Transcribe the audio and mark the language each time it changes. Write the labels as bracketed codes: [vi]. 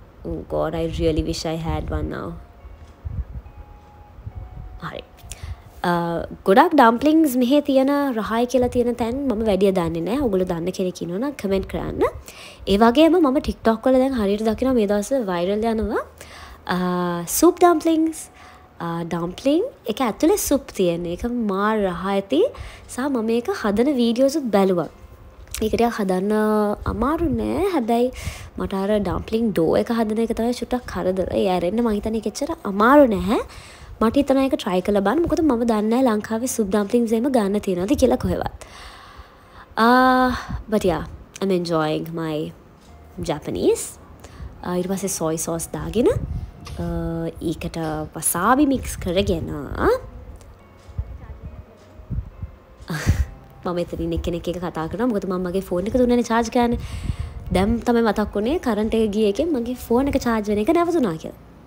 [en] Oh God, I really wish I had one now. [si] හරි. ගොඩක් ඩම්ප්ලිංස් මෙහෙ තියෙන රහයි කියලා තියෙන තැන් මම වැඩිය දන්නේ නැහැ. ඔගොල්ලෝ දන්න කෙනෙක් ඉන්නවා නම් කමෙන්ට් කරන්න. ඒ වගේම මම TikTok වල දැන් හරියට දකිනවා මේ දවස්වල වෛරල් යනවා සුප් ඩම්ප්ලිංස්. ඩම්ප්ලිං එක ඇතුලේ සුප් තියෙන එක මා රහ ඇති. සහ මම ඒක හදන වීඩියෝසුත් බැලුවා. ඒකට හදන්න අමාරු නෑ. හැබැයි මට අර ඩම්ප්ලිං ඩෝ එක හදන එක තමයි චුට්ටක් කරදර. ඒ ඇරෙන්න මං හිතන්නේ එච්චර අමාරු නැහැ. මට හිතනවා ඒක ට්‍රයි කරලා බලන්න. මොකද මම දන්නේ නැහැ ලංකාවේ සුප් ඩම්ප්ලිංස් එහෙම ගන්න තියෙනවද කියලා කොහෙවත්. [en] But yeah, I'm enjoying my Japanese. [si] ඊට පස්සේ සොය සෝස් දාගෙන ඒකට වසාබි මික්ස් කරගෙන මම එතනින් එක්කෙනෙක් එක කතා කරනවා. මොකද මම මගේ ෆෝන් එක දුන්නේ චාර්ජ් කරන්න. දැන් තමයි මතක් වුණේ කරන්ට් එක ගිය එකෙන් මගේ ෆෝන් එක චාර්ජ් වෙන එක නැවතුණා කියලා.